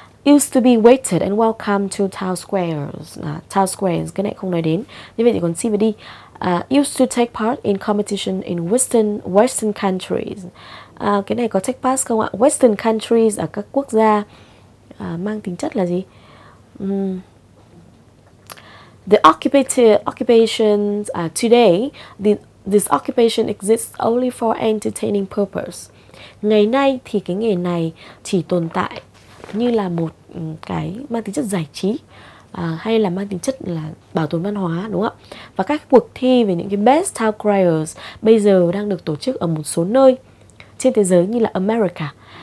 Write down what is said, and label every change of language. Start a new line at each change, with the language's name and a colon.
English: Used to be waited and welcome to town squares.
Vietnamese: Town squares, cái này không nói đến. Như vậy thì còn C và D.
English: Used to take part in competition in Western countries.
Vietnamese: Cái này có check pass không ạ? Western countries ở các quốc gia mang tính chất là gì?
English: The occupations today, this occupation exists only for entertaining purpose.
Vietnamese: Ngày nay thì cái nghề này chỉ tồn tại như là một cái mang tính chất giải trí hay là mang tính chất là bảo tồn văn hóa, đúng không ạ? Và các cuộc thi về những cái best town criers bây giờ đang được tổ chức ở một số nơi trên thế giới như là America.